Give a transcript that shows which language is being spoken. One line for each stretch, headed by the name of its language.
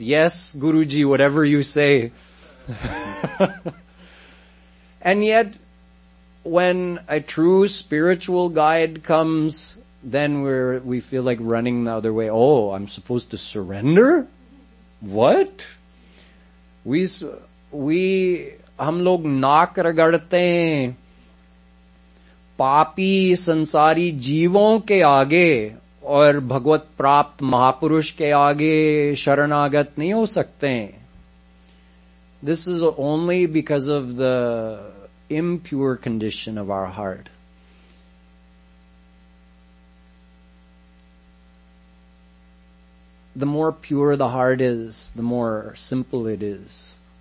English: Yes, Guruji, whatever you say. And yet, when a true spiritual guide comes, then we feel like running the other way. Oh, I'm supposed to surrender? What?
Hindi: We हम लोग नाक रगड़ते हैं पापी संसारी जीवों के आगे और भगवत प्राप्त महापुरुष के आगे शरणागत नहीं हो सकते.
English: This is only because of the impure condition of our heart. The more pure the heart is, the more simple it is.